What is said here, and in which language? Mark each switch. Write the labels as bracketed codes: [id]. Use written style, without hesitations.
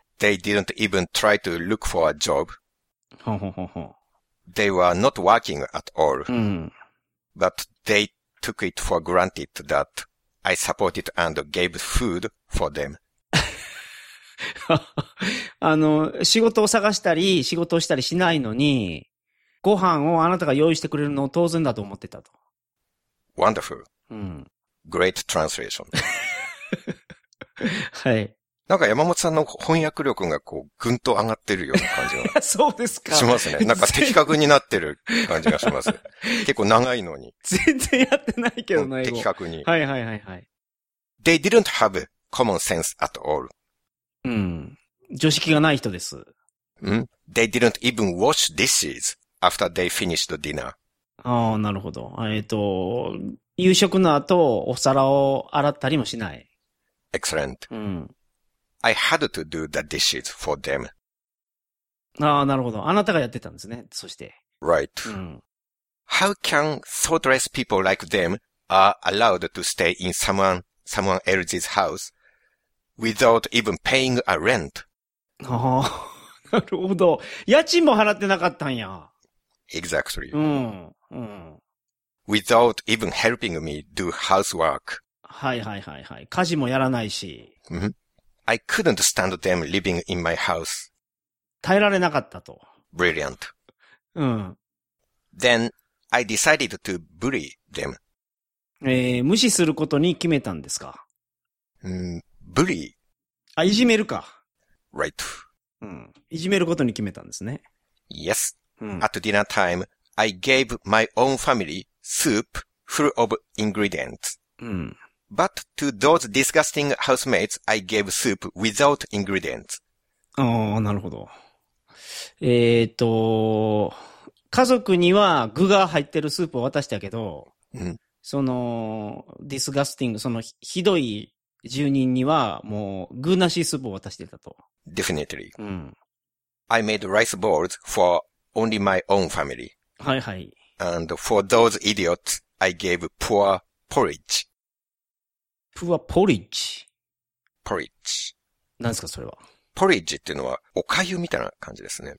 [en] They didn't even try to look for a job. [ja] ほんほんほんほん。 [en] They were not working at all.、 [ja] うん、 [en] But they took it for granted that I supported and gave food for them. [ja] 仕事を探したり仕事をしたりしないのに、ご飯をあなたが用意してくれるのを当然だと思ってたと。 [en] Wonderful.、 [ja] うん、 [en] Great translation. [ja] はい。なんか山本さんの翻訳力がこうぐんと上がってるような感じが。そうですか。しますね。なんか的確になってる感じがします。結構長いのに。全然やってないけどな、英語。的確に。はいはいはいはい。 [en] They didn't have common sense at all. [ja] うん。常識がない人です。 [en] ん ?They didn't even wash dishes after they finished dinner. [ja] ああ、なるほど。夕食の後、お皿を洗ったりもしない。 [en] Excellent. [ja] うん。 [en] I had to do the dishes for them. [ja] ああ、なるほど。あなたがやってたんですね。そして。 [en] Right.、 [ja] うん、 [en] How can thoughtless people like them are allowed to stay in someone else's house without even paying a rent? [ja] ああ、なるほど。家賃も払ってなかったんや。 [en] Exactly. [ja] うん。うん。 [en] Without even helping me do housework. [ja] はいはいはいはい。家事もやらないし。 [en] うん。I couldn't stand them living in my house. [ja] 耐えられなかったと。 [en] Brilliant. [ja] うん。 [en] Then, I decided to bully them. [ja] 無視することに決めたんですか？ [en] Bully? [ja] あ、いじめるか。 [en] Right. [ja] うん。いじめることに決めたんですね。 [en] Yes.、うん、At dinner time, I gave my own family soup full of ingredients. [ja] うん。 [en] But to those disgusting housemates, I gave soup without ingredients. [ja] ああ、なるほど。家族には具が入ってるスープを渡したけど、うん、その、disgusting, その ひどい住人にはもう具なしスープを渡してたと。 [en] Definitely.、 [ja] うん、 [en] I made rice balls for only my own family. [ja] はいはい。 [en] And for those idiots, I gave poor porridge. [ja] プアポリッジ。ポリッジ。何ですか、それは。ポリッジっていうのは、お粥みたいな感じですね。